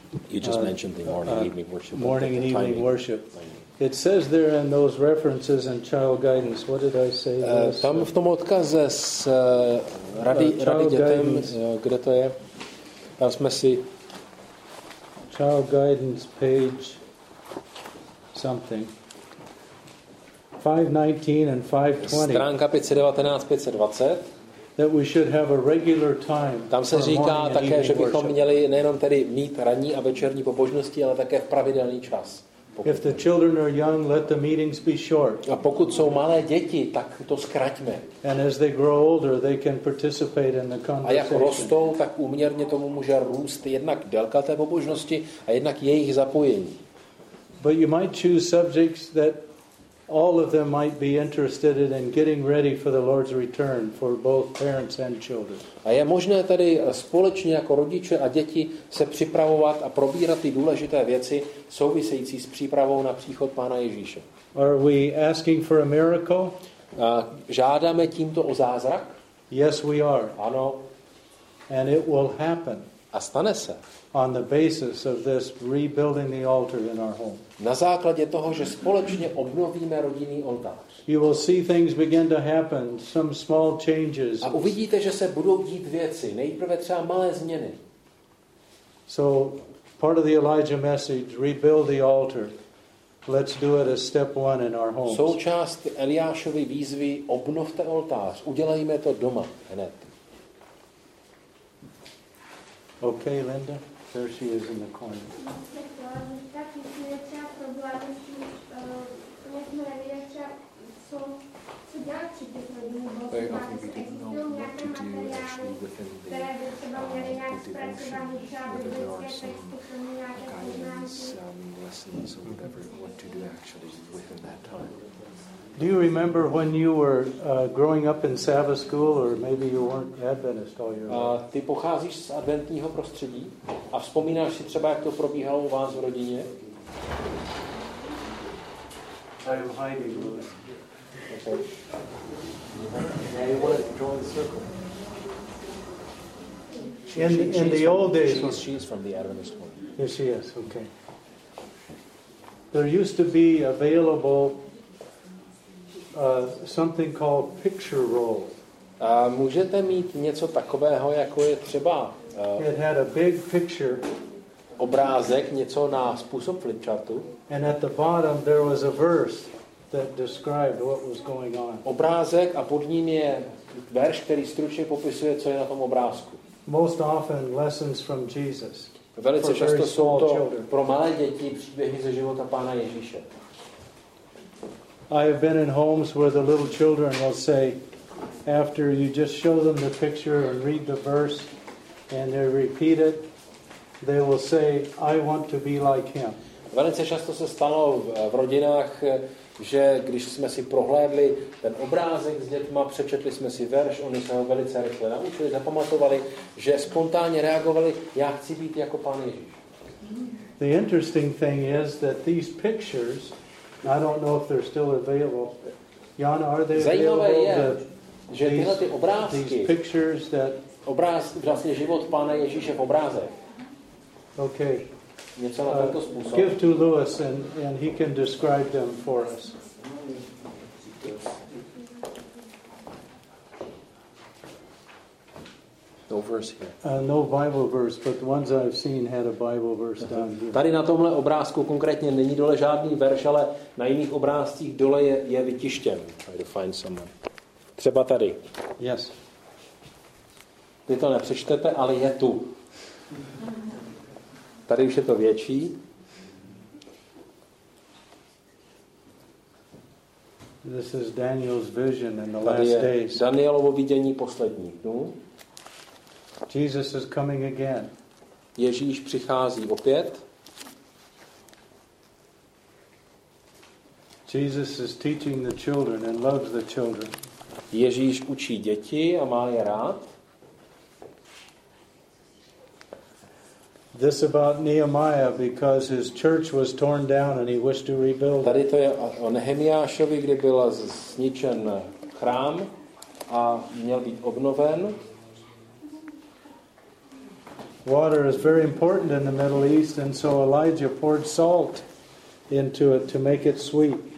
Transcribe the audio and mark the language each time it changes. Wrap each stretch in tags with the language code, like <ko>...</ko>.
<en>You just mentioned the morning and evening worship. Morning and evening timing. Worship. It says there in those references and child guidance. What did I say?</en> <cs>Tam v tom odkaze s rady dětem, kde to je? Tam jsme si.</cs> <en>Child guidance page. Something. 519 and 520.</en> <cs>Stránka 519, 520.</cs> <en>That we should have a regular time.</en> <cs>Tam se říká také, že bychom měli nejenom tedy mít ranní a večerní pobožnosti, ale také v pravidelný čas.</cs> <en>If the children are young, let the meetings be short.</en> <cs>A pokud jsou malé děti, tak to zkraťme.</cs> <en>And as they grow older, they can participate in the conversation.</en> <cs>A jak rostou, tak úměrně tomu může růst jednak délka té pobožnosti a jednak jejich zapojení.</cs> <en>But you might choose subjects that all of them might be interested in getting ready for the Lord's return for both parents and children.</en> <cs>A je možné tady společně jako rodiče a děti se připravovat a probírat ty důležité věci související s přípravou na příchod Pána Ježíše.</cs> <en>Are we asking for a miracle?</en> <cs>A žádáme tímto o zázrak?</cs> <en>Yes, we are.</en> <cs>Ano.</cs> <en>And it will happen.</en> <cs>A stane se.</cs> <en>On the basis of this rebuilding the altar in our home.</en> <cs>Na základě toho, že společně obnovíme rodinný oltář.</cs> <en>You will see things begin to happen, some small changes.</en> <cs>A uvidíte, že se budou dít věci, nejprve třeba malé změny.</cs> <en>So part of the Elijah message, rebuild the altar. Let's do it as step one in our homes.</en> <cs>Součást Eliášovy výzvy, obnovte oltář, udělejme to doma hned.</cs> <en>Okay, Linda. There she is in the corner. Very often we didn't know what to do actually within the devotions, whether there are some guidance, lessons, or whatever, what to do actually within that time. Do you remember when you were growing up in Sabbath school, or maybe you weren't Adventist all your life?</en> <cs>Ty pocházíš z adventního prostředí a vzpomínáš si třeba, jak to probíhalo u vás v rodině?</cs> <en>I'm hiding. Okay. Now you want to join the circle. In the old days, she's from the Adventist world. Yes, she is. Okay. There used to be available something called picture roll.</en> <cs>Můžete mít něco takového, jako je třeba.</cs> <en>It had a big picture.</en> <cs>Obrázek, něco na způsob flipchartu.</cs> <en>And at the bottom there was a verse that described what was going on.</en> <cs>Obrázek a pod ním je verš, který stručně popisuje, co je na tom obrázku.</cs> <en>Most often lessons from Jesus.</en> <cs>Velice často jsou to pro malé děti příběhy ze života Pána Ježíše.</cs> <en>I have been in homes where the little children will say, after you just show them the picture and read the verse, and they repeat it, they will say, I want to be like him.</en> <cs>Velice často se stalo v rodinách, že když jsme si prohlédli ten obrázek s dětma, přečetli jsme si verš, oni se ho velice rychle naučili, zapamatovali, že spontánně reagovali, já chci být jako Pán Ježíš.</cs> <en>The interesting thing is that these pictures, I don't know if they're still available. Jan, are they available?</en> <cs>Zajímavé je, že tyhle ty obrázky,</cs> <en>these pictures that...</en> <cs>vlastně život Pána Ježíše v obrázek.</cs> <en>Okay.</en> <cs>Něco na tento způsob.</cs> <en>Give to Lewis and he can describe them for us. No verse here. No Bible verse, but the ones I've seen had a Bible verse down here.</en> <cs>Tady na tomhle obrázku konkrétně není dole žádný verš, ale na jiných obrázcích dole je vytištěn.</cs> <en>Try to find someone.</en> <cs>Třeba tady.</cs> <en>Yes.</en> <cs>Vy to nepřečtete, ale je tu. Tady už je to větší.</cs> <en>This is Daniel's vision in the last days.</en> <cs>Tady je Danielovo vidění posledních dnů.</cs> <en>Jesus is coming again.</en> <cs>Ježíš přichází opět.</cs> <en>Jesus is teaching the children and loves the children.</en> <cs>Ježíš učí děti a má je rád.</cs> <en>This about Nehemiah because his church was torn down and he wished to rebuild.</en> <cs>Tady to je o Nehemiášovi, kdy byl zničen chrám a měl být obnoven.</cs> <en>Water is very important in the Middle East and so Elijah poured salt into it to make it sweet.</en>